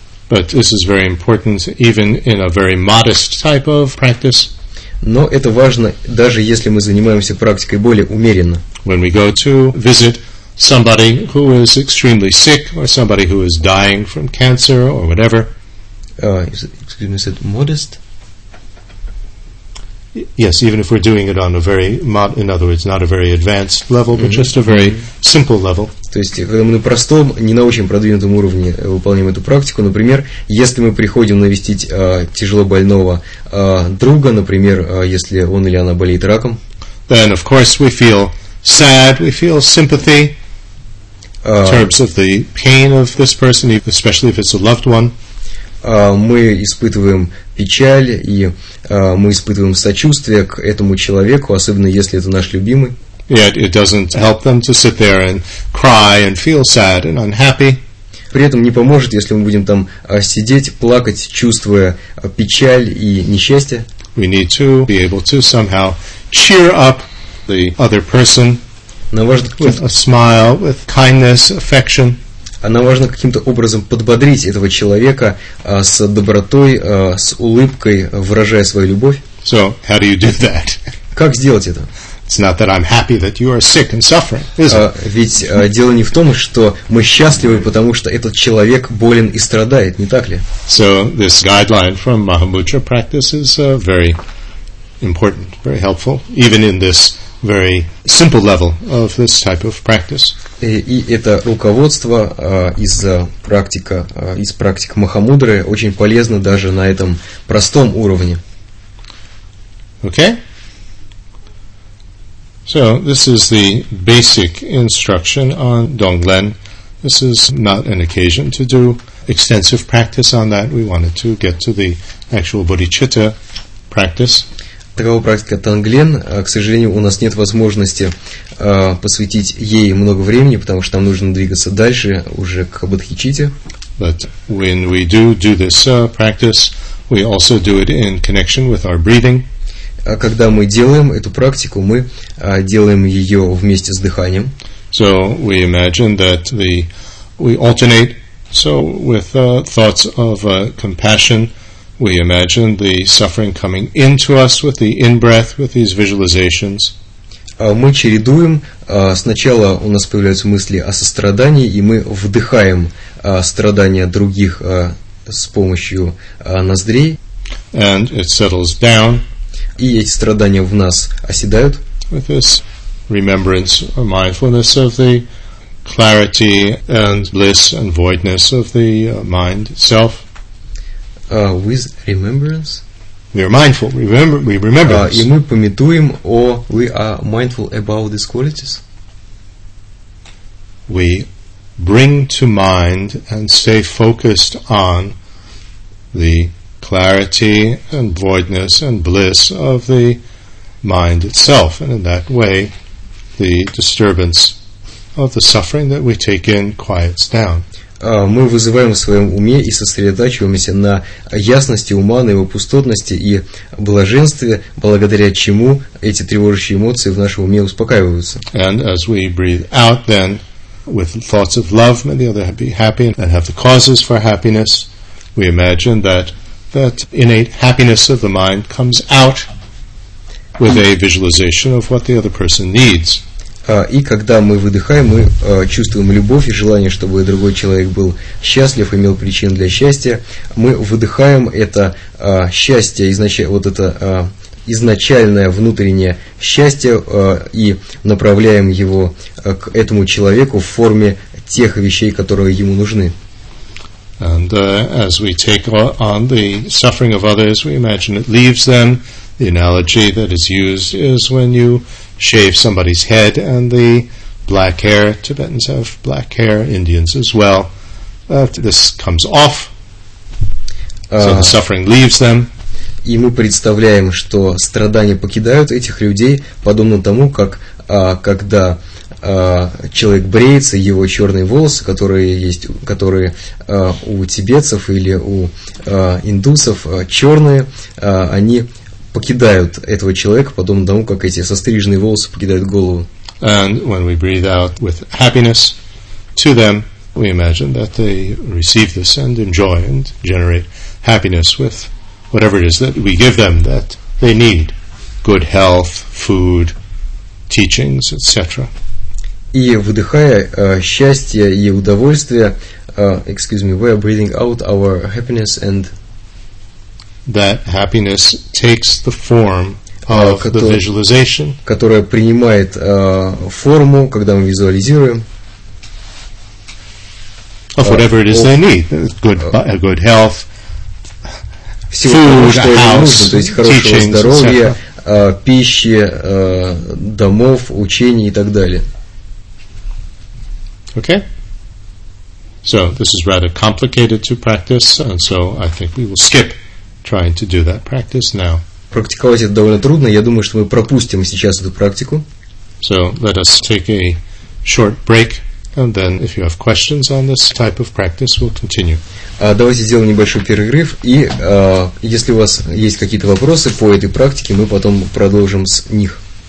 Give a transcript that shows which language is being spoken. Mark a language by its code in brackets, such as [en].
[en] But this is very important, even in a very modest type of practice. [ru] Но это важно, даже если мы занимаемся практикой более умеренно. [en] When we go to visit somebody who is extremely sick, or somebody who is dying from cancer, or whatever. Is it modest? Yes, even if we're doing it on a very in other words, not a very advanced level, but just a very simple level. [ru] То есть, когда мы на простом, не на очень продвинутом уровне выполняем эту практику, например, если мы приходим навестить тяжело больного друга, например, если он или она болеет раком, [en] then of course we feel sad, we feel sympathy in terms of the pain of this person, especially if it's a loved one. [ru] Мы испытываем печаль и мы испытываем сочувствие к этому человеку, особенно если это наш любимый. [en] Yet it doesn't help them to sit there and cry and feel sad and unhappy. [ru] При этом не поможет, если мы будем там сидеть, плакать, чувствуя печаль и несчастье. [en] We need to be able to somehow cheer up the other person with a smile, with kindness, affection. [ru] Нам важно каким-то образом подбодрить этого человека с добротой, с улыбкой, выражая свою любовь. [en] So, how do you do that? [ru] Как сделать это? [en] It's not that I'm happy that you are sick and suffering, is it? [ru] Ведь дело не в том, что мы счастливы, потому что этот человек болен и страдает, не так ли? [en] So, this guideline from Mahamudra practice is very important, very helpful, even in this very simple level of this type of practice. [ru] И это руководство из практик Махамудры очень полезно даже на этом простом уровне. [en] Okay. So this is the basic instruction on Donglen. This is not an occasion to do extensive practice on that. We wanted to get to the actual bodhicitta practice. [ru] Такова практика Тонглен. К сожалению, у нас нет возможности посвятить ей много времени, потому что нам нужно двигаться дальше уже к бодхичитте. [en] But when we do this practice, we also do it in connection with our breathing. [ru] Когда мы делаем эту практику, мы делаем ее вместе с дыханием. [en] So we imagine that we alternate. So with thoughts of compassion, we imagine the suffering coming into us with the in-breath, with these visualizations. [ru] мы чередуем. Сначала у нас появляются мысли о сострадании, и мы вдыхаем страдания других с помощью ноздрей. [en] And it settles down. [ru] И эти страдания в нас оседают. [en] With this remembrance or mindfulness of the clarity and bliss and voidness of the mind itself. With remembrance. We are mindful. Remember, we remember. [ru] И мы помятуем, [en] or we are mindful about these qualities. We bring to mind and stay focused on the clarity and voidness and bliss of the mind itself, and in that way, the disturbance of the suffering that we take in quiets down. [ru] Мы вызываем в своем уме и сосредотачиваемся на ясности ума, на его пустотности и блаженстве, благодаря чему эти тревожащие эмоции в нашем уме успокаиваются. [en] And as we breathe out, then, with thoughts of love, may the other be happy and have the causes for happiness. We imagine that that innate happiness of the mind comes out with a visualization of what the other person needs. [ru] И когда мы выдыхаем, мы чувствуем любовь и желание, чтобы другой человек был счастлив, имел причин для счастья. Мы выдыхаем это счастье, изначальное внутреннее счастье, и направляем его к этому человеку в форме тех вещей, которые ему нужны. [en] And as we take on the suffering of others, we imagine it leaves them. The analogy that is used is when you shave somebody's head and the black hair. Tibetans have black hair, Indians as well. This comes off, so the suffering leaves them. [ru] И мы представляем, что страдания покидают этих людей, подобно тому, как когда человек бреется, его черные волосы, которые у тибетцев или у индусов черные, они покидают этого человека, подобно тому, как эти состриженные волосы покидают голову. [en] And when we breathe out with happiness to them, we imagine that they receive this and enjoy and generate happiness with whatever it is that we give them that they need. Good health, food, teachings, etc. [ru] И выдыхая счастье и удовольствие, [en] excuse me, we are breathing out our happiness and that happiness takes the form of the visualization, [ru] которая принимает форму, когда мы визуализируем, [en] of whatever it is they need, good health, [ru] всего [en] food, [ru] того, что [en] house, [ru] нужно, то есть хорошего [en] teachings, [ru] здоровья, пищи, домов, учений и так далее. [en] Okay. So this is rather complicated to practice, and so I think we will skip trying to do that practice now. [ru] Практиковать это довольно трудно. Я думаю, что мы пропустим сейчас эту практику. [en] So let us take a short break, and then if you have questions on this type of practice, we'll continue. [ru] Давайте сделаем небольшой перерыв, и если у вас есть какие-то вопросы по этой практике, мы потом продолжим с них.